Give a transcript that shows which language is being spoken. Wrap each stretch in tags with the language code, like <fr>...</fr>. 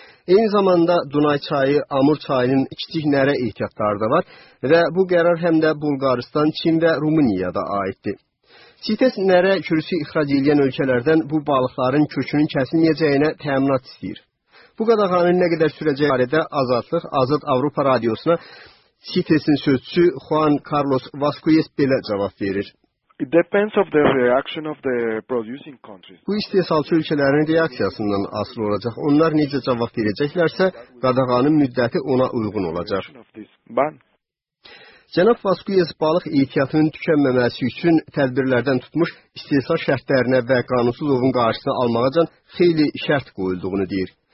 <az>Eyni zamanda Dunay çayı, Amur çayının kiçik nərə ehtiyatları da var və bu qərar həm də Bulqaristan, Çin və Rumıniyada aiddir. CITES nərə kürüsü ixrac edən ölkələrdən bu balıqların kökünün kəsilməyəcəyinə təminat istəyir. Bu qadağanın nə qədər sürəcəyi barədə Azadlıq, Azad Avropa Radiosuna CITES-in sözçüsü Juan Carlos Vasquez belə cavab verir.</az> <en>It depends on the reaction of the producing countries.</en> <az>Bu istehsalçı ölkələrin reaksiyasından asılı olacaq. Onlar necə cavab verəcəklərsə, qadağanın müddəti ona uyğun olacaq. Cənab Vasquez balıq ehtiyatının tükənməməsi üçün tədbirlərdən tutmuş istehsal şərtlərinə və qanunsuz ovun qarşısını almağacan xeyli şərt qoyulduğunu deyir.</az>